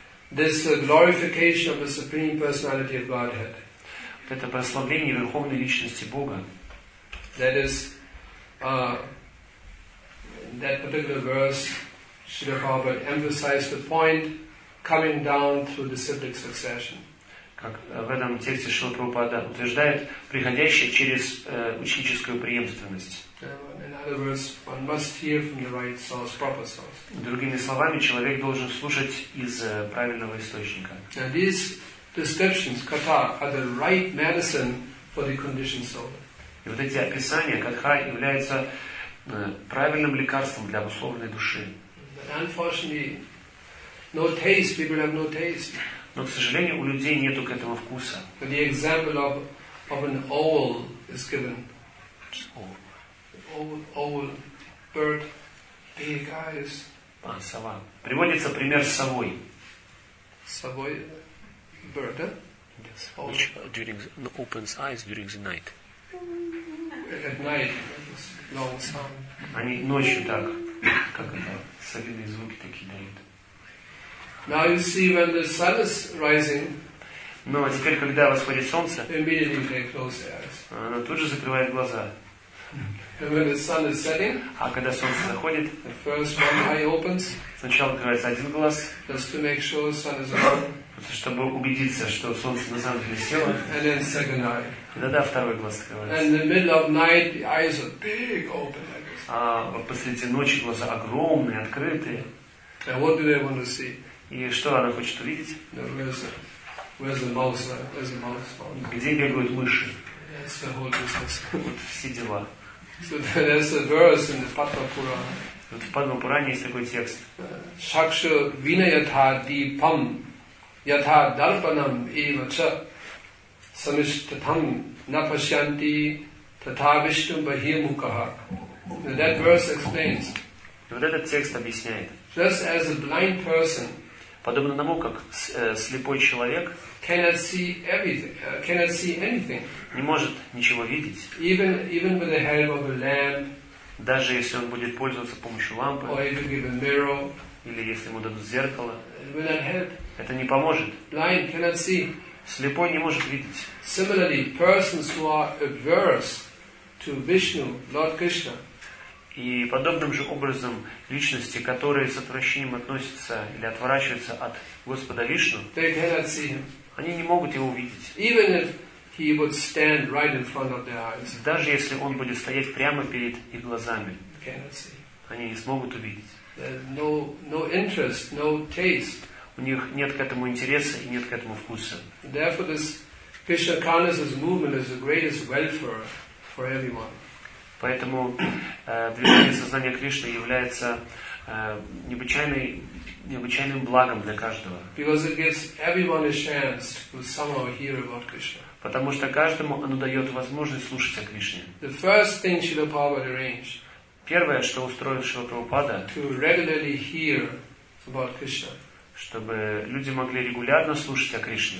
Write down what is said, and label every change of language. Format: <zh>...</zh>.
<en>This glorification of the Supreme Personality of Godhead.</en> <ru>Вот это прославление Верховной Личности Бога.</ru> <en>That is, that particular verse, Srila Prabhupada emphasized the point coming down through the siddhic succession.</en> <ru>Как в этом тексте Шрила Прабхупада утверждает, приходящее через ученическую преемственность.</ru> <en>In other words, one must hear from the right source, proper source.</en> <ru>Другими словами, человек должен слушать из правильного источника.</ru> <en>And these descriptions, katha, are the right medicine for the conditioned soul.</en> <ru>И вот эти описания, катха, являются правильным лекарством для обусловленной души.</ru> <en>But unfortunately, no taste. People have no taste.</en> <ru>Но, к сожалению, у людей нету к этому вкуса.</ru> <en>But the example of an owl is given. Owl bird, big eyes.</en> <ru>А, сова. Приводится пример с совой. Совой bird, да?</ru> <en>Yes. Owl. Which during the, opens eyes during the night. At night, long sound.</en> <ru>Они ночью так, как это, совиные звуки такие дают.</ru> <en>Now you see when the sun is rising.</en> <ru>Но теперь, когда восходит солнце,</ru> <en>immediately they close their eyes.</en> <ru>Она тут же закрывает глаза.</ru> <en>And when the sun is setting,</en> <ru>а когда солнце заходит,</ru> <en>the first one eye opens.</en> <ru>Сначала открывается один глаз,</ru> <en>just to make sure the sun is on.</en> <ru>Просто чтобы убедиться, что солнце на самом деле село.</ru> <en>And then second eye.</en> <ru>Тогда второй глаз открывается.</ru> <en>And in the middle of night, the eyes are big, open like this.</en> <ru>А вот посреди ночи глаза огромные, открытые.</ru> <en>And what do they want to see?</en> <ru>И что она хочет увидеть?</ru> <en>Where's the mouse?</en> <ru>Где бегают мыши?</ru> <en>That's the whole business.</en> <ru>Вот все дела.</ru> <en>So there's a verse in the Padma Purana.</en> <ru>Вот в Падма Пуране есть такой текст.</ru> <sa>Шакша винаятха дипам ятха дарпанам ива ча самиштатам напашьянти татха вишну бахимукаха.</sa> <en>And that verse explains.</en> <ru>Вот этот текст объясняет.</ru> <en>Just as a blind person,</en> <ru>подобно тому, как слепой человек</ru> <en>cannot see anything.</en> <ru>Не может ничего видеть.</ru> <en>Even with the help of a lamp,</en> <ru>даже если он будет пользоваться помощью лампы,</ru> <en>or even with a mirror,</en> <ru>или если ему дадут зеркало,</ru> <en>with that help,</en> <ru>это не поможет.</ru> <en>Blind cannot see.</en> <ru>Слепой не может видеть.</ru> <en>Similarly, persons who are averse to Vishnu, Lord Krishna.</en> <ru>И подобным же образом личности, которые с отвращением относятся или отворачиваются от Господа Вишну, они не могут его увидеть.</ru> <en>Even if he would stand right in front of their eyes.</en> <ru>Даже если он будет стоять прямо перед их глазами, они не смогут увидеть.</ru> <en>No interest, no taste.</en> <ru>У них нет к этому интереса и нет к этому вкуса.</ru> <en>Therefore, this Krishna consciousness movement is the greatest welfare for everyone.</en> <ru>Поэтому движение сознания Кришны является необычайным благом для каждого.</ru> <en>Because it gives everyone a chance to somehow hear about Krishna.</en> <ru>Потому что каждому оно дает возможность слушать о Кришне.</ru> <en>The first thing Srila Prabhupada arranged.</en> <ru>Первое, что устроил Шрила Прабхупада.</ru> <en>To regularly hear about Krishna.</en> <ru>Чтобы люди могли регулярно слушать о Кришне.</ru>